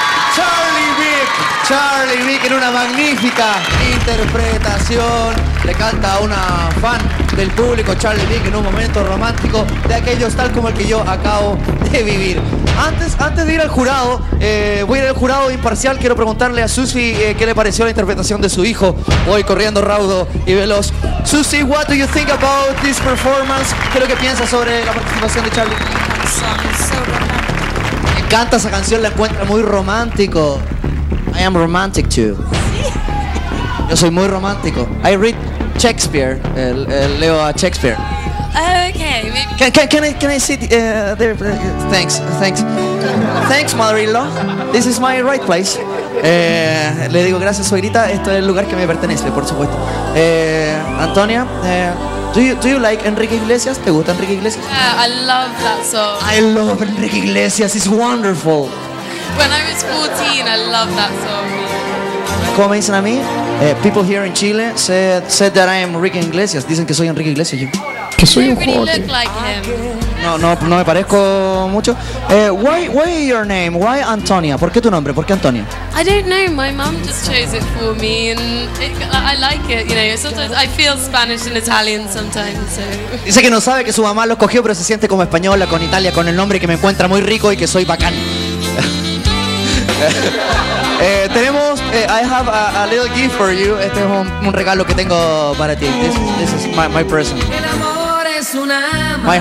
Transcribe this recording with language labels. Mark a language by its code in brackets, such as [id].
[es] Charlie Vick en una magnífica interpretación. Le canta a una fan del público, Charlie Vick, en un momento romántico de aquellos tal como el que yo acabo de vivir. Antes de ir al jurado, voy a ir al jurado imparcial. Quiero preguntarle a Susi qué le pareció la interpretación de su hijo. Voy corriendo raudo y veloz. [en] Susi, what do you think about this performance? [es] ¿Qué es lo que piensas sobre la participación de Charlie Vick? Me encanta esa canción, la encuentro muy romántico. [en] I am romantic too. [es] Yo soy muy romántico. [en] I read Shakespeare. [es] Leo a Shakespeare. [en] Okay. Can I sit there? Thanks. Thanks, mother-in-law. This is my right place. [es] Le digo gracias, suegrita. Esto es el lugar que me pertenece, por supuesto. [en] Antonia, do you like Enrique Iglesias? [es] ¿Te gusta Enrique Iglesias? [en] Yeah, I love that song. I love Enrique Iglesias. It's wonderful. When I was 14, I loved that song. [es] Como dicen a mí, [en] people here in Chile said that I am Enrique Iglesias. [es] Dicen que soy Enrique Iglesias. Que soy un jote. [en] You don't really look like him. [es] No me parezco mucho. [en] Why your name? Why Antonia? [es] ¿Por qué tu nombre? ¿Por qué Antonia? [en] I don't know. My mom just chose it for me, and I like it. You know, sometimes I feel Spanish and Italian sometimes. So. [es] Dice que no sabe que su mamá lo escogió, pero se siente como española con Italia, con el nombre, que me encuentra muy rico y que soy bacán. [en] I have a little gift for you. [es] Este es un regalo que tengo para ti. [en] This is my present. [es] El amor es una magia.